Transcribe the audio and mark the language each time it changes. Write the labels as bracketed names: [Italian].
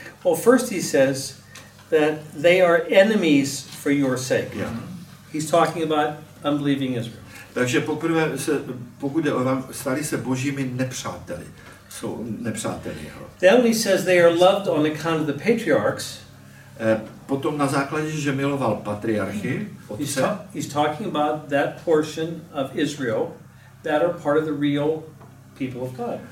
[English] Well, first he says that they are enemies for your sake. Yeah. He's talking about unbelieving Israel. [Czech] Takže poprvé se, pokud jde o vám, stali se božími nepřáteli. Jsou nepřáteli jeho. [English] Then he says they are loved on account of the patriarchs. [Czech] Potom na základě, že miloval patriarchy, otce. [English] He's talking about that portion of Israel that are part of the real people of God.